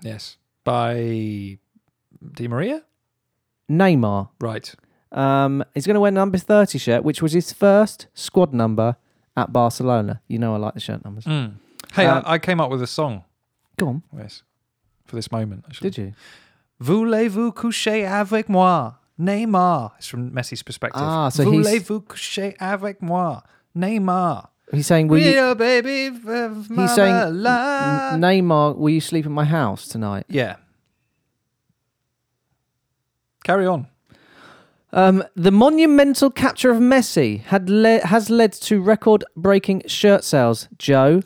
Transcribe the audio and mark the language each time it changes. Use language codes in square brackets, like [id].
[en] Yes. By Di Maria? Neymar. Right. He's going to wear number 30 shirt, which was his first squad number at Barcelona. You know I like the shirt numbers. Mm. Hey, I came up with a song. Go on. Yes. For this moment, actually. Did you? [fr] Voulez-vous coucher avec moi, Neymar? [en] It's from Messi's perspective. Ah, so [fr] voulez-vous coucher avec moi, Neymar? [en] He's saying, "Will you, baby?" He's saying, "Neymar, will you sleep in my house tonight?" Yeah. Carry on. The monumental capture of Messi has led to record-breaking shirt sales, Joe.